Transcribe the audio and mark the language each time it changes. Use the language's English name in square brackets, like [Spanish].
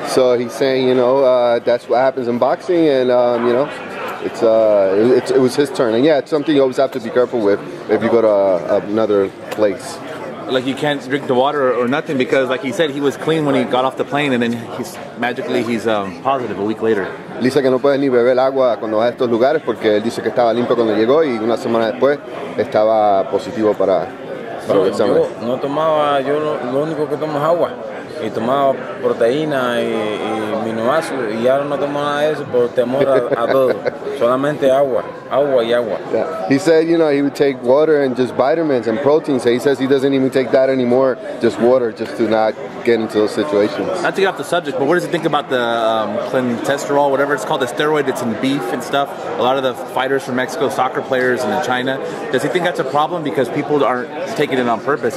[English] So he's saying, you know, that's what happens in boxing, and you know, it was his turn. And yeah, it's something you always have to be careful with if you go to another place. Like you can't drink the water or nothing, because like he said, he was clean when he got off the plane, and then he's magically positive a week later. [Spanish] Dice que no puedes ni beber agua cuando vas a estos lugares porque él dice que estaba limpio cuando llegó y una semana después estaba positivo para el examen. Yo lo único que tomo es agua y tomaba proteína y aminoácidos y ahora no tomo nada de eso por temor a todo. Solamente agua y agua. [English] Yeah. He said, you know, he would take water and just vitamins and proteins. He says he doesn't even take that anymore, just water, just to not get into those situations. Not to get off the subject, but what does he think about the clintesterol, whatever it's called, the steroid that's in beef and stuff? A lot of the fighters from Mexico, soccer players and in China. Does he think that's a problem because people aren't taking it on purpose?